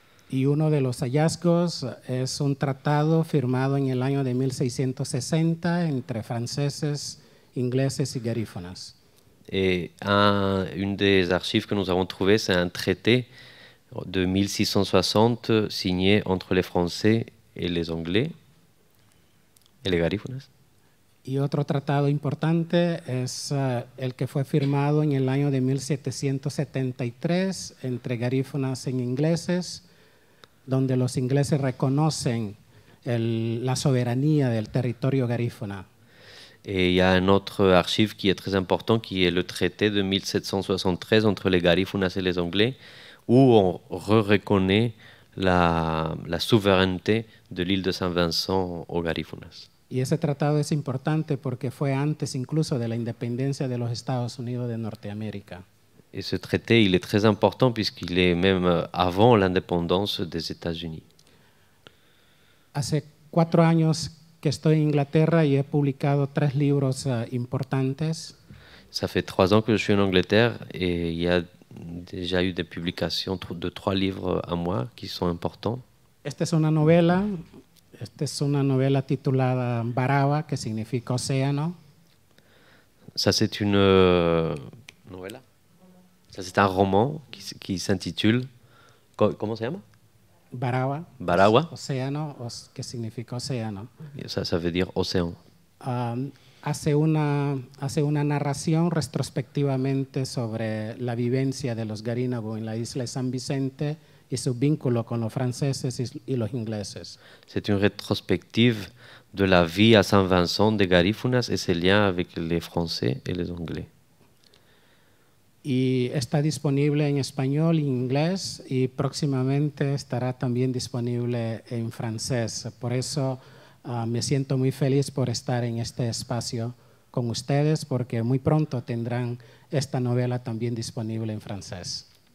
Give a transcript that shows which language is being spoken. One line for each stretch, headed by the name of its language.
Spanish: Y uno de los hallazgos es un tratado firmado en el año de 1660 entre franceses, ingleses y garífunas.
French: Et une des archives que nous avons trouvées, c'est un traité de 1660 signé entre les Français et les Anglais et les garífunas.
Spanish: Y otro tratado importante es el que fue firmado en el año de 1773 entre garífunas e ingleses, donde los ingleses reconocen la soberanía del territorio garífuna.
French: Et il y a un autre archive qui est très important, qui est le traité de 1773 entre les garífunas et les anglais, où on reconnaît la souveraineté de l'île de Saint-Vincent aux garífunas.
Spanish: Y ese tratado es importante porque fue antes incluso de la independencia de los Estados Unidos de Norteamérica.
French: Et ce traité, il est très important puisqu'il est même avant l'indépendance des États-Unis.
Spanish: Hace 4 años que estoy en Inglaterra y he publicado 3 libros importantes.
French: Ça fait 3 ans que je suis en Angleterre et il y a déjà eu des publications de 3 livres à moi qui sont importants.
Spanish: Esta es una novela titulada Baraba, que significa océano.
French: Ça c'est une novela. C'est un roman qui s'intitule... Comment ça s'appelle?
Spanish: Baraba.
French: Baraba.
Spanish: Océano, que significa océano.
French: Ça veut dire océan.
Spanish: Hace una narración retrospectivamente sobre la vivencia de los garínagos en la isla de San Vicente y su vínculo con los franceses y los ingleses.
French: C'est une rétrospective de la vie à Saint-Vincent des garífunas et ses liens avec les Français et les Anglais.
Spanish: Y está disponible en español y inglés y próximamente estará también disponible en francés. Por eso me siento muy feliz por estar en este espacio con ustedes porque muy pronto tendrán esta novela también disponible en francés.